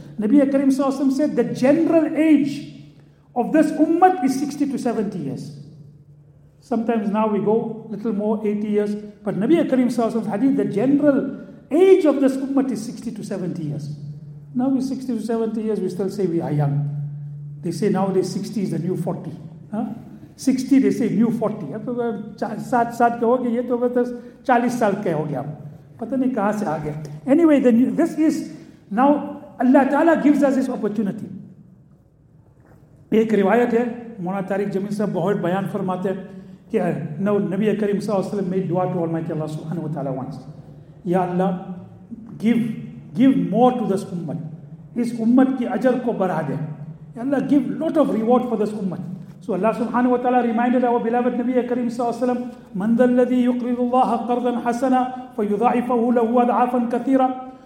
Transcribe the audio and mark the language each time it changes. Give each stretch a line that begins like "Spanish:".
English: Nabi Karim sallallahu alaihi wasallam said, the general age of this ummah is 60 to 70 years. Sometimes now we go little more, 80 years. But Nabi Karim sallallahu alaihi wasallam's hadith, the general age of this ummah is 60 to 70 years. Now we're 60 to 70 years, we still say we are young. They say nowadays 60 is the new 40. Huh? 60 they say new 40.
Hindi: अब तो वह सात सात के हो गए, ये तो वह तो 40 साल के हो गया, पता नहीं कहाँ से आ गया.
English: Anyway, then this is now Allah Taala gives us this opportunity.
Hindi: एक रिवायत है, मौना तारिक जमील साहब बहुत बयान फरमाते हैं कि नबी करीम सल्लल्लाहु अलैहि वसल्लम
English: made dua to Almighty Allah Subhanahu wa Taala once. Ya Allah, give more to this ummat.
Hindi: इस ummat की अजर को बढ़ा दे.
English: Allah give lot of reward for this ummah. So Allah subhanahu wa ta'ala reminded our beloved Nabiya Kareem sallallahu alayhi wa sallam,
Arabic: مَنْ ذَلَّذِي يُقْرِضُ اللَّهَ قَرْضًا حَسَنًا فَيُضَعِفَهُ لَهُ أَضْعَافًا كَثِيرًا.